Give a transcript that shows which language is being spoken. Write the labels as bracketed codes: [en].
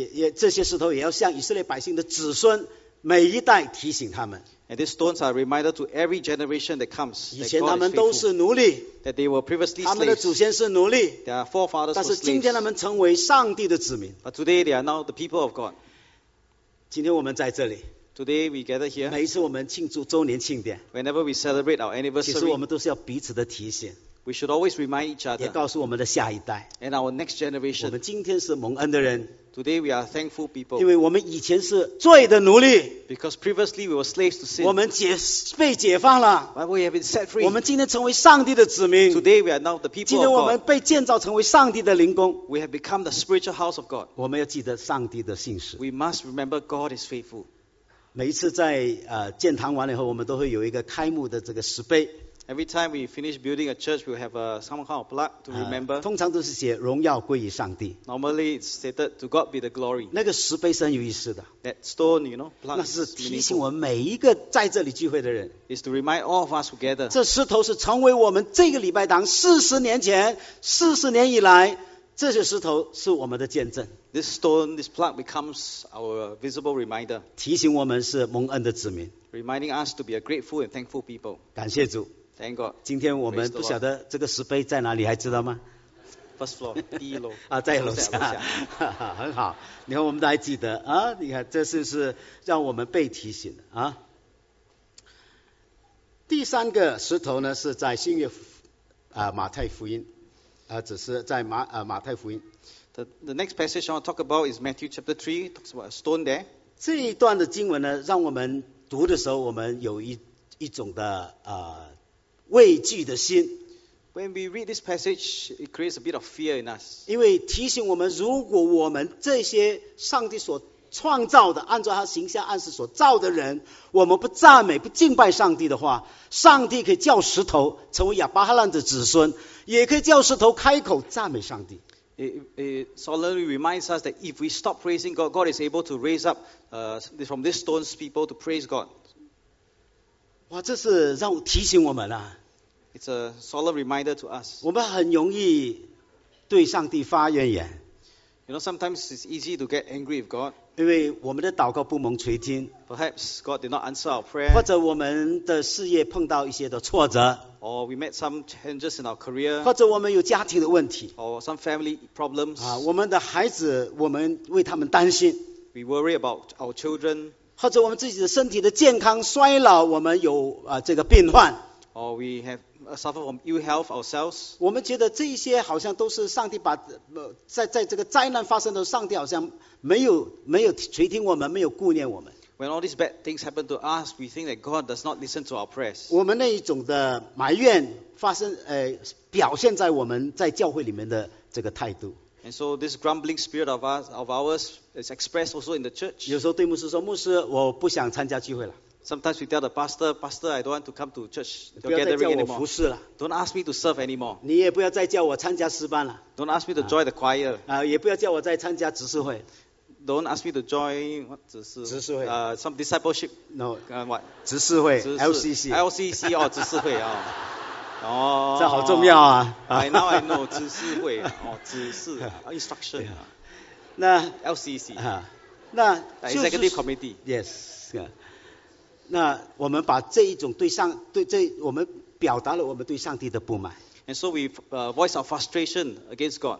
[zh] 这些石头也要向以色列百姓的子孙, 每一代提醒他们。 [en] And these stones are a reminder to every generation that comes. [zh] 以前他们都是奴隶, [en] that they were previously slaves. [zh] 他们的祖先是奴隶, [en] their forefathers were slaves. [zh] 但是今天他们成为上帝的子民。 [en] But today they are now the people of God. [zh] 今天我们在这里, [en] today we gather here. [zh] 每一次我们庆祝周年庆典, [en] whenever we celebrate our anniversary, [zh] 其实我们都是要彼此的提醒。 [en] We should always remind each other. [zh] 也告诉我们的下一代, [en] and our next generation. [zh] 我们今天是蒙恩的人。 [en] Today we are thankful people. [zh] 因为我们以前是罪的奴隶, [en] because previously we were slaves to sin. [zh] 我们被解放了, [en] but we have been set free. [zh] 我们今天成为上帝的子民。 [en] Today we are now the people of God. [zh] 今天我们被建造成为上帝的灵宫。 [en] We have become the spiritual house of God. [zh] 我们要记得上帝的信实。 [en] We must remember God is faithful. [zh] 每一次在, 建堂完了以后, 我们都会有一个开幕的这个石碑。 [en] Every time we finish building a church, we'll have some kind of plaque to remember. [zh] 通常都是写荣耀归于上帝。 [en] Normally it's stated to God be the glory. [zh] 那个石碑是很有意思的。 [en] That stone, you know, plaque. [zh] 那是提醒我们每一个在这里聚会的人。 [en] Is to remind all of us together. [zh] 这石头是成为我们这个礼拜堂40年前,40年以来, 这些石头是我们的见证。 [en] This stone, this plaque becomes our visible reminder. [zh] 提醒我们是蒙恩的子民。 [en] Reminding us to be a grateful and thankful people. [zh] 感谢主。 [en] Thank God. [zh] 今天我们不晓得这个石碑在哪里, 还知道吗? [en] First floor, [zh] 第一楼。在楼下。很好, 你看我们都还记得, 啊, 你看这是让我们被提醒的, 啊。第三个石头呢, 是在新约, 马太福音, 只是在马太福音。 [en] The next passage I want to talk about is Matthew chapter 3, talks about a stone there. [zh] 这一段的经文呢, 让我们读的时候, 我们有一种的, 畏惧的心。 [en] When we read this passage, it creates a bit of fear in us. [zh] 因为提醒我们, 如果我们这些上帝所创造的, 按照他形象按时所造的人, 我们不赞美, 不敬拜上帝的话, 上帝可以叫石头, 成为亚伯拉罕的子孙, 也可以叫石头开口赞美上帝。 [en] It solemnly reminds us that if we stop praising God, God is able to raise up from these stones people to praise God. [zh] 哇, 这是让我提醒我们啊。 [en] It's a solemn reminder to us. [zh] 我们很容易对上帝发怨言。 [en] You know, sometimes it's easy to get angry with God. [zh] 因为我们的祷告不蒙垂听。 [en] Perhaps God did not answer our prayer. [zh] 或者我们的事业碰到一些的挫折。 [en] Or we met some changes in our career. [zh] 或者我们有家庭的问题。 [en] Or some family problems. [zh] 啊, 我们的孩子, 我们为他们担心。 [en] We worry about our children. [zh] 或者我们自己的身体的健康衰老, 我们有, 这个病患。 [en] Or we have suffer from ill health ourselves. [zh] 我们觉得这些好像都是上帝把, 在这个灾难发生的时候, 上帝好像没有垂听我们, 没有顾念我们。 [en] When all these bad things happen to us, we think that God does not listen to our prayers. [zh] 我们那一种的埋怨发生, 表现在我们在教会里面的这个态度。 [en] And so this grumbling spirit of us, of ours is expressed also in the church. [zh] 有时候对牧师说, 牧师, 我不想参加聚会了。 [en] Sometimes we tell the pastor, Pastor, I don't want to come to church gathering anymore. Don't ask me to serve anymore. Don't ask me to join the choir. Don't ask me to join some discipleship. No. What? [zh] 执事会, LCC. [en] LCC or 执事会.Oh. [zh] 这好重要啊。 [en] Now I know 执事会, 执事, instruction. LCC. Executive Committee. Yes. [zh] 那我们把这一种对上对这我们表达了我们对上帝的不满 [en] ，and so we voice our frustration against God，